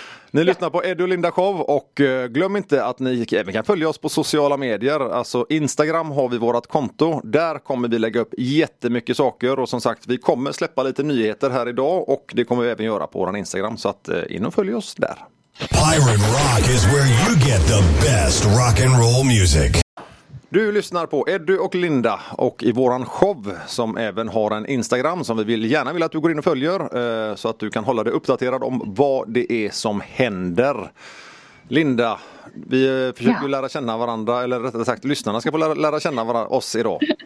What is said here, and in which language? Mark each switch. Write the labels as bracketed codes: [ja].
[sv] Ni lyssnar på Eddie och Linda Show och glöm inte att ni även kan följa oss på sociala medier. Alltså Instagram har vi vårat konto. Där kommer vi lägga upp jättemycket saker och som sagt, vi kommer släppa lite nyheter här idag och det kommer vi även göra på vår Instagram, så att in och följ oss där. [en] Pirate Rock is where you get the best rock and roll music. [sv] Du lyssnar på Eddie och Linda och i våran show som även har en Instagram som vi gärna vill att du går in och följer så att du kan hålla dig uppdaterad om vad det är som händer. Linda, vi försöker lära känna varandra, eller rättare sagt, lyssnarna ska få lära känna oss idag.